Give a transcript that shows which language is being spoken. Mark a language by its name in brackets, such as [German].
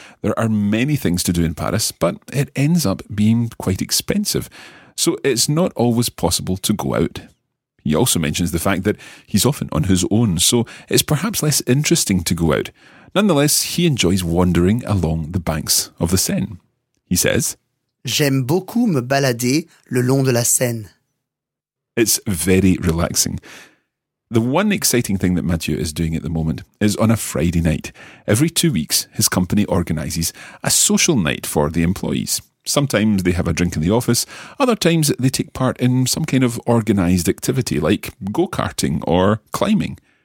[English] There are many things to do in Paris, but it ends up being quite expensive. So it's not always possible to go out. He also mentions the fact that he's often on his own, so it's perhaps less interesting to go out. Nonetheless, he enjoys wandering along the banks of the Seine. He says, [French] j'aime beaucoup me balader le long de la Seine. [English] It's very relaxing. The one exciting thing that Mathieu is doing at the moment is on a Friday night. Every 2 weeks, his company organises a social night for the employees. Sometimes they have a drink in the office, other times they take part in some kind of organised activity like go-karting or climbing.